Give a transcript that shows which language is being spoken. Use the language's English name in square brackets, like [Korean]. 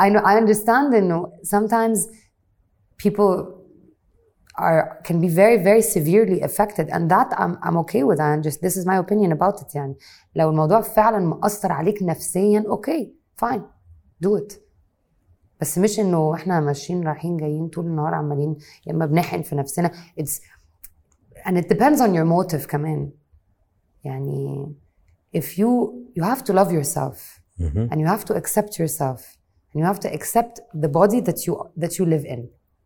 [English] I understand [Arabic] انه [English] sometimes people can be very very severely affected and that I'm okay with and just this is my opinion about it. [Arabic] يعني لو الموضوع فعلا مؤثر عليك نفسيا [English] okay fine do it, [Arabic] بس مش انه احنا ماشيين رايحين جايين طول النهار عمالين يا اما بنحن في نفسنا. [English] It's and it depends on your motive [Arabic] كمان. [English] يعني if you have to love yourself and you have to accept yourself and you have to accept the body that you live in.